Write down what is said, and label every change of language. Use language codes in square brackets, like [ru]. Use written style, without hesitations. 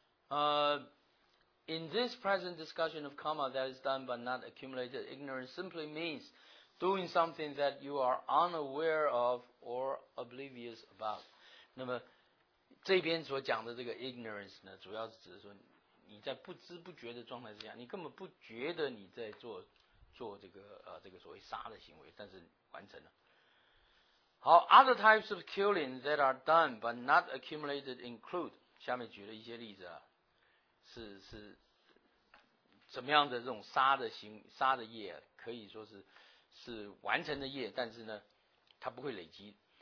[en] In this present discussion of karma that is done but not accumulated, ignorance simply means doing something that you are unaware of or oblivious about. [zh] 那么这边所讲的这个 ignorance 呢，主要是指说你在不知不觉的状态之下，你根本不觉得你在做这个所谓杀的行为，但是完成了。 [en] 好， other types of killing that are done but not accumulated include， [zh] 下面举了一些例子啊。是怎么样的这种杀的业，可以说是完成的业，但是呢它不会累积。